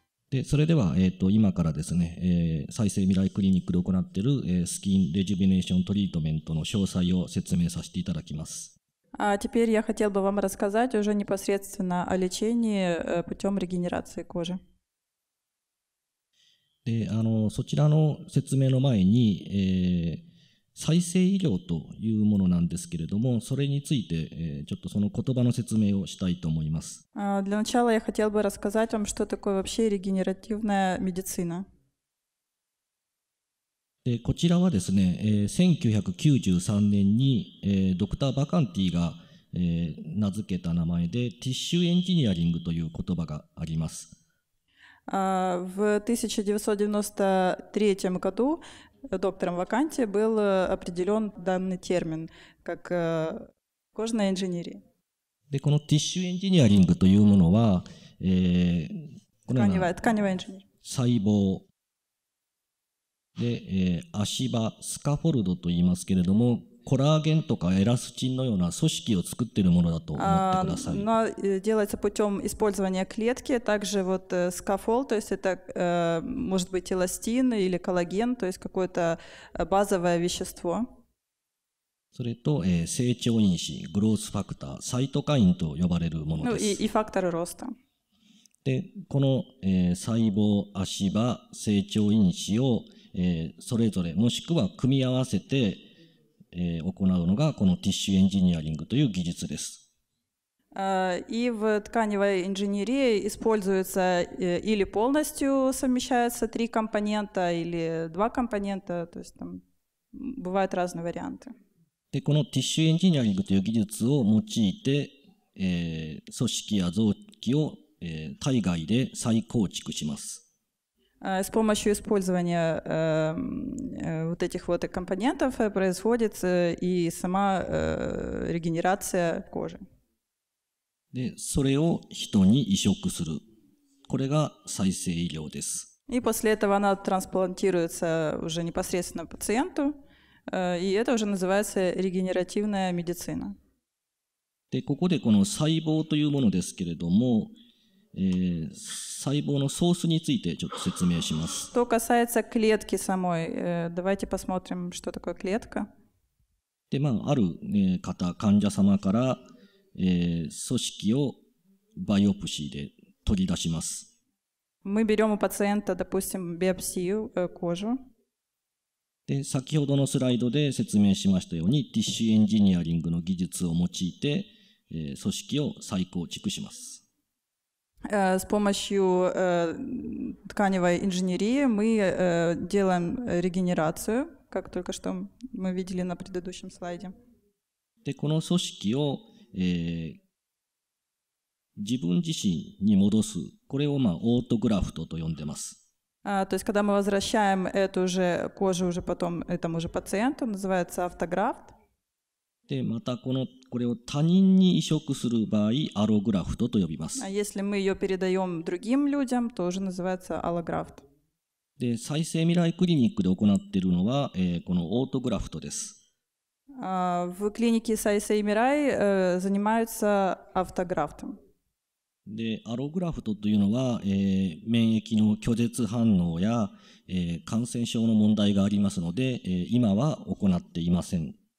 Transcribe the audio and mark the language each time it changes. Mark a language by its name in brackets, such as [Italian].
[Japanese] でそれでは、今からですね、再生未来クリニックで行っている、スキンレジュビネーショントリートメントの詳細を説明させていただきます。 [Russian] теперь я хотел бы вам рассказать уже непосредственно о лечении путем регенерации кожи。 [Japanese] で、そちらの説明の前に、再生医療というものなんですけれども、それについて、ちょっとその言葉の説明をしたいと思います。 [Russian] Для начала я хотел бы рассказать вам, что такое вообще регенеративная медицина. [Japanese] で、こちらはですね、1993年に、ドクター・バカンティが、名付けた名前で、ティッシュエンジニアリングという言葉があります。 [Russian] В 1993 году доктором Ваканти был определен данный термин как кожная инженерия. [Japanese] で、このティッシュエンジニアリングというものは、 [Russian] тканевая инженерия. [Japanese] 細胞で、足場、スカフォルドと言いますけれども、コラーゲンとかエラスチンのような組織を作っているものだと思ってください。 [Russian] делается путем использования клетки, также вот скафолд, то есть это может быть эластин или коллаген, то есть какое-то базовое вещество. [Japanese] それと、成長因子、グロースファクター、サイトカインと呼ばれるものです。 [Russian] и факторы роста. [Japanese] で、この、細胞、足場、成長因子を、それぞれもしくは組み合わせて行うのがこのティッシュエンジニアリングという技術です。 [Russian] И в тканевой инженерии используется или полностью совмещаются три компонента, или два компонента, то есть там бывают разные варианты. [Japanese] で、このティッシュエンジニアリングという技術を用いて、組織や臓器を、体外で再構築します。 [Russian] С помощью использования вот этих вот компонентов производится и сама регенерация кожи. [Japanese] で、それを人に移植する。これが再生医療です。 [Russian] И после этого она трансплантируется уже непосредственно пациенту, и это уже называется регенеративная медицина. [Japanese] で、ここでこの細胞というものですけれども、細胞のソースについてちょっと説明します。 [Russian] Что касается клетки самой, давайте посмотрим, что такое клетка. [Japanese] で、まあ、ある方、患者様から、組織をバイオプシーで取り出します。 [Russian] Мы берем у пациента, допустим, биопсию, кожу. [Japanese] で、先ほどのスライドで説明しましたように、ティッシュエンジニアリングの技術を用いて、組織を再構築します。 [Russian] С помощью тканевой инженерии мы делаем регенерацию, как только что мы видели на предыдущем слайде. [Japanese] で、この組織を、自分自身に戻す、これを、まあ、オートグラフトと呼んでます。 [Russian] То есть, когда мы возвращаем эту же кожу уже потом этому же пациенту, называется автографт. [Japanese] で、またこの、これを他人に移植する場合、アログラフトと呼びます。 [Russian] Если мы ее передаем другим людям, то уже называется аллографт. [Japanese] で、再生未来クリニックで行っているのは、このオートグラフトです。 [Russian] В клинике Сайсей Мирай занимаются автографтом. [Japanese] で、アログラフトというのは、免疫の拒絶反応や、感染症の問題がありますので、今は行っていません。